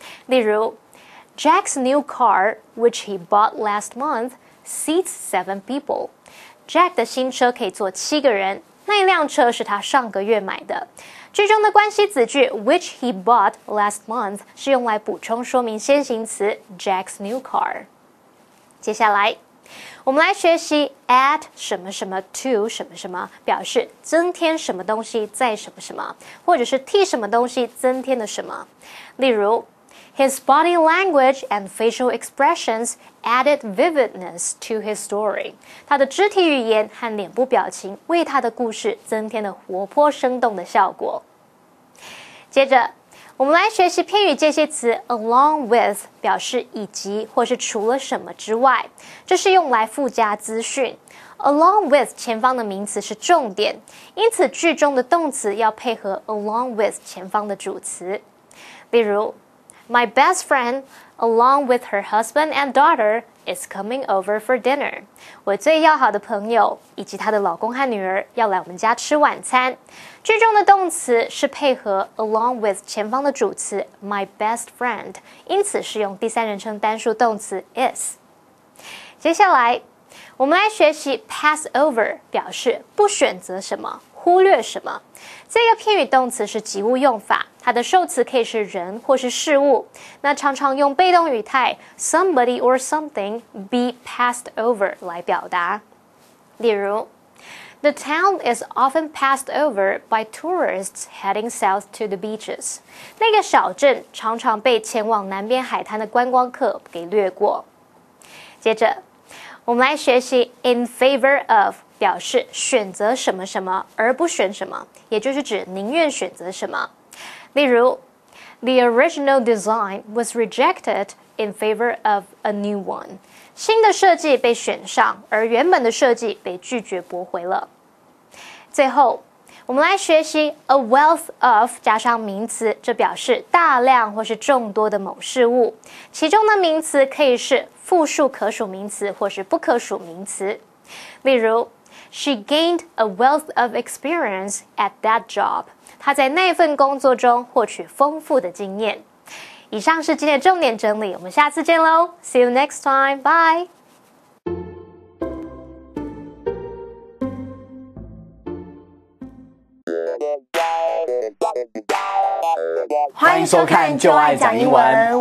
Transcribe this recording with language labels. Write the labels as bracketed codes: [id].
[zh] 例如 [en] Jack's new car, which he bought last month, seats 7 people. [zh] Jack 的新车可以坐7个人，那一辆车是他上个月买的。句中的关系子句 [en] which he bought last month [zh] 是用来补充说明先行词 [en] Jack's new car。 [zh] 接下来我们来学习 add 什么什么 to 什么什么，表示增添什么东西在什么什么，或者是替什么东西增添了什么。例如 [en] His body language and facial expressions added vividness to his story. [zh] 他的肢体语言和脸部表情为他的故事增添了活泼生动的效果。接着我们来学习片语间歇词 along with， 表示以及或是除了什么之外，这是用来附加资讯。 along with 前方的名词是重点，因此句中的动词要配合 along with 前方的主词。例如 [en] My best friend along with her husband and daughter is coming over for dinner. [zh] 我最要好的朋友以及她的老公和女儿要来我们家吃晚餐。句中的动词是配合 along with 前方的主词 [en] my best friend， [zh] 因此是用第三人称单数动词 is。接下来我们来学习 pass over， 表示不选择什么忽略什么。这个片语动词是及物用法，它的受词可以是人或是事物，那常常用被动语态 [en] somebody or something be passed over [zh] 来表达。例如 [en] The town is often passed over by tourists heading south to the beaches. [zh] 那个小镇常常被前往南边海滩的观光客给掠过。接着我们来学习 in favor of， 表示选择什么什么而不选什么，也就是指宁愿选择什么。例如 [en] The original design was rejected in favor of a new one. [zh] 新的设计被选上，而原本的设计被拒绝驳回了。最后我们来学习 a wealth of 加上名词，这表示大量或是众多的某事物，其中的名词可以是复数可数名词或是不可数名词。例如 [en] She gained a wealth of experience at that job. [zh] 他在那份工作中获取丰富的经验。以上是今天的重点整理，我们下次见咯。 [en] See you next time. Bye. Welcome to 就爱讲英文，